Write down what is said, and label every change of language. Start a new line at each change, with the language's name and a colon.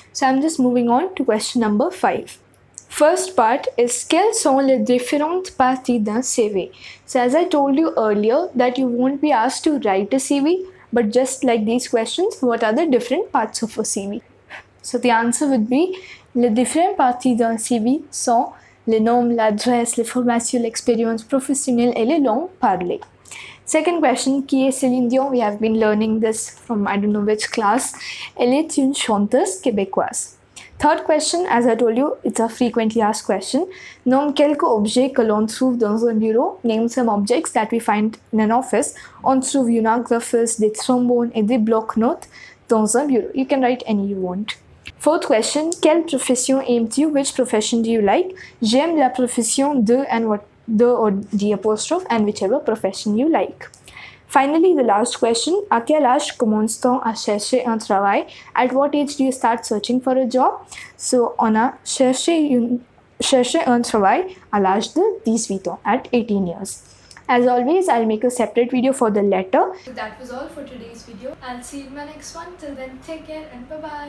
English: So I'm just moving on to question number 5. First part is,
French: quelles sont les différentes parties d'un CV?
English: So as I told you earlier that you won't be asked to write a CV, but just like these questions, what are the different parts of a CV? So the answer would be,
French: les différentes parties d'un CV sont le nom, l'adresse, les formations, l'expérience professionnelle et les langues parlées.
English: Second question,
French: qui est Céline Dion?
English: We have been learning this from I don't know which class.
French: Elle est une chanteuse québécoise.
English: Third question, as I told you, it's a frequently asked question.
French: Nomme quelques objets que l'on trouve dans un bureau.
English: Name some objects that we find in an office.
French: On trouve unographes, des trombones et des bloc-notes dans un bureau.
English: You can write any you want. Fourth question,
French: quelle profession aimes-tu?
English: Which profession do you like?
French: J'aime la profession de
English: and what the or the apostrophe and whichever profession you like. Finally, the last question,
French: à quel âge commence-t-on à chercher un travail?
English: At what age do you start searching for a job?
French: So, on a chercher un travail à l'âge de 18 ans,
English: at 18 years. As always, I'll make a separate video for the letter. That was all for today's video. I'll see you in my next one. Till then, take care and bye-bye.